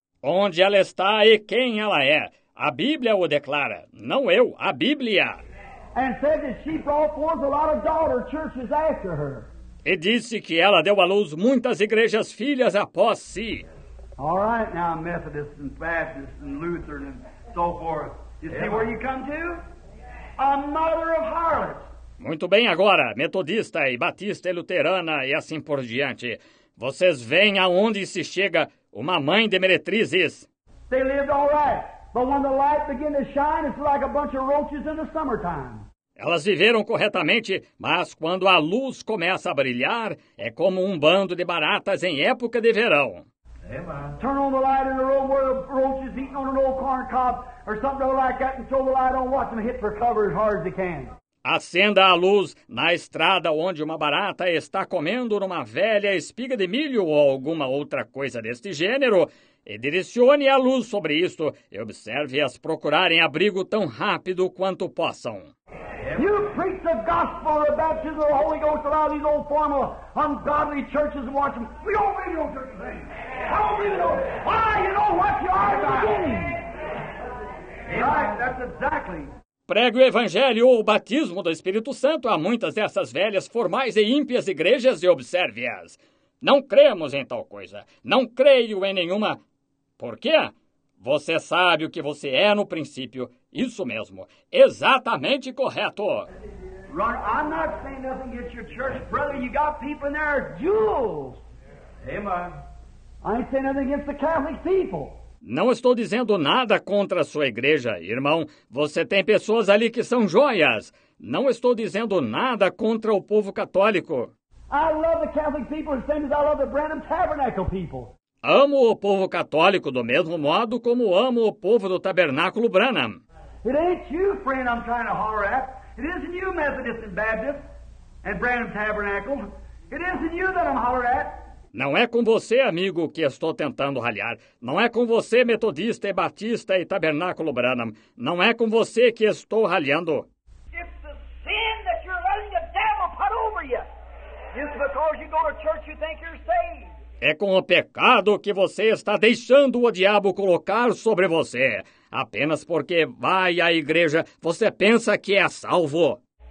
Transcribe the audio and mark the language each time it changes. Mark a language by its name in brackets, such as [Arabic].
[Portuguese] Onde ela está e quem ela é. A Bíblia o declara, não eu, a Bíblia. [English] And said that she brought forth a lot of daughter churches after her. [Portuguese] E disse que ela deu à luz muitas igrejas filhas após si. [English] All right, now Methodists and Baptists and Lutheran and so forth. You see where you come to? A mother of harlots. [Portuguese] Muito bem agora, Metodista e Batista e Luterana e assim por diante. Vocês veem aonde se chega uma mãe de meretrizes. [English] They lived all right, but when the light began to shine, it's like a bunch of roaches in the summertime. [Portuguese] Elas viveram corretamente, mas quando a luz começa a brilhar, é como um bando de baratas em época de verão. [English] Amen. Turn on the light in a room where a roach is eating on an old corn cob or something like that and throw the light on, watch them hit for cover as hard as they can. [Portuguese] Acenda a luz na estrada onde uma barata está comendo numa velha espiga de milho ou alguma outra coisa deste gênero e direcione a luz sobre isto e observe as procurarem abrigo tão rápido quanto possam. [English] You preach the gospel, the baptism of the Holy Ghost, a lot of these old formal, ungodly churches and watch them. We don't believe in those churches. I don't believe in those. Why? You know what you are doing. Right, that's exactly. [Portuguese] Pregue o evangelho ou o batismo do Espírito Santo a muitas dessas velhas, formais e ímpias igrejas e observe-as. Não cremos em tal coisa. Não creio em nenhuma. Por quê? Você sabe o que você é no princípio. Isso mesmo. Exatamente correto. [English] Ron, I'm not saying nothing against your church, brother. You got people in there, jewels. Amen. I ain't saying nothing against the Catholic people. [Portuguese] Não estou dizendo nada contra a sua igreja, irmão. Você tem pessoas ali que são joias. Não estou dizendo nada contra o povo católico. [English] I love the Catholic people the same as I love the Branham Tabernacle people. [Portuguese] Amo o povo católico do mesmo modo como amo o povo do Tabernáculo Branham. [English] It ain't you, friend, I'm trying to holler at. It isn't you, Methodist and Baptist and Branham Tabernacle. It isn't you that I'm hollering at. [Portuguese] Não é com você, amigo, que estou tentando ralhar. Não é com você, metodista e batista e Tabernáculo Branham. Não é com você que estou ralhando. [English] It's the sin that you're letting the devil put over you. It's because you go to church you think you're saved. [Portuguese] É com o pecado que você está deixando o diabo colocar sobre você. Apenas porque vai à igreja, você pensa que é salvo.